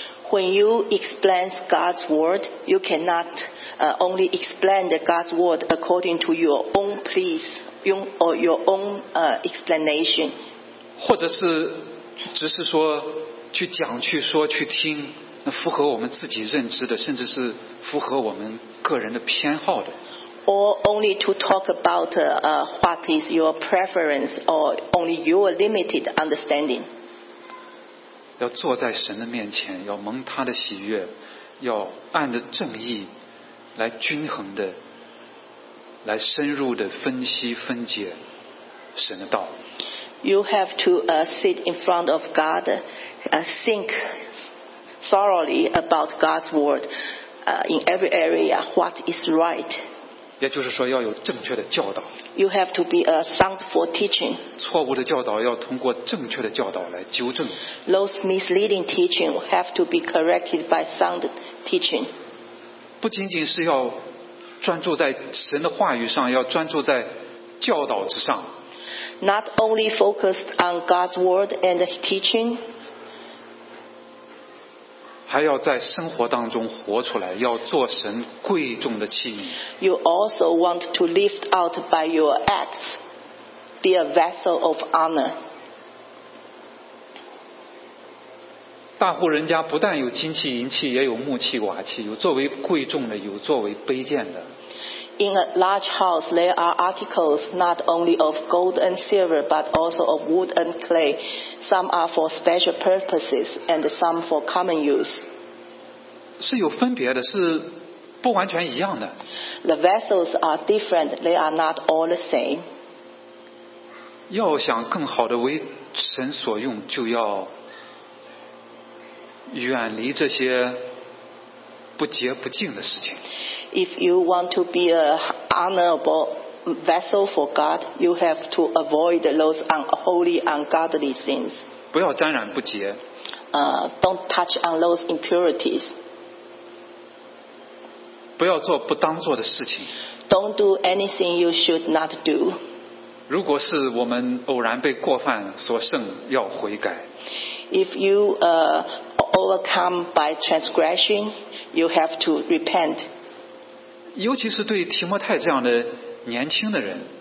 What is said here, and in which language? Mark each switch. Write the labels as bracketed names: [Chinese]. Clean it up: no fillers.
[English] When you explain God's word, you cannot only explain God's word according to your own please or your own explanation. [Chinese] 或者是只是说去讲、去说、去听，那符合我们自己认知的，甚至是符合我们个人的偏好的。 [English] Or only to talk about what is your preference or only your limited understanding. [Chinese] 要坐在神的面前，要蒙他的喜悦，要按着正义来均衡的，来深入的分析分解神的道。 [English] You have to sit in front of God, think thoroughly about God's word, in every area what is right. [Chinese] 也就是说要有正确的教导。 [English] You have to be a soundful teaching. [Chinese] 错误的教导要通过正确的教导来纠正。 [English] Those misleading teaching have to be corrected by sound teaching. [Chinese] 不仅仅是要专注在神的话语上，要专注在教导之上。 [English] Not only focused on God's word and teaching. [Chinese] 还要在生活当中活出来，要做神贵重的器皿。 [English] You also want to lift out by your acts, be a vessel of honor. [Chinese] 大户人家不但有金器银器，也有木器瓦器，有作为贵重的，有作为卑贱的。 [English] In a large house, there are articles not only of gold and silver, but also of wood and clay. Some are for special purposes, and some for common use. [Chinese] 是有分别的，是不完全一样的。 [English] The vessels are different; they are not all the same. [Chinese] 要想更好的为神所用，就要远离这些不洁不净的事情。 [English] If you want to be an honorable vessel for God, you have to avoid those unholy, ungodly things. [Chinese] 不要沾染不洁。 [English] Don't touch on those impurities. [Chinese] 不要做不当做的事情。 [English] Don't do anything you should not do. [Chinese] 如果是我们偶然被过犯所胜，要悔改。 [English] If you overcome by transgression, you have to repent. [Chinese] 尤其是对提摩太这样的年轻的人